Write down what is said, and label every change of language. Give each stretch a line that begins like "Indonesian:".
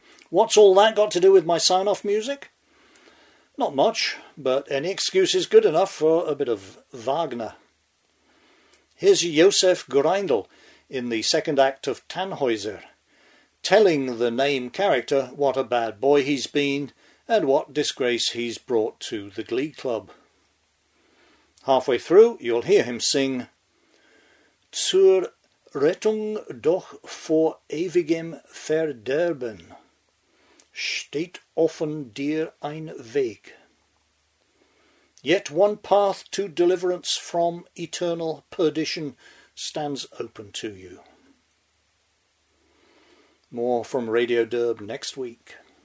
English: What's all that got to do with my sign-off music? Not much, but any excuse is good enough for a bit of Wagner. Here's Josef Greindl in the second act of Tannhäuser, telling the name character what a bad boy he's been and what disgrace he's brought to the Glee Club. Halfway through, you'll hear him sing
German: Zur Rettung doch vor ewigem Verderben steht offen dir ein Weg.
English: Yet one path to deliverance from eternal perdition stands open to you. More from Radio Derb next week.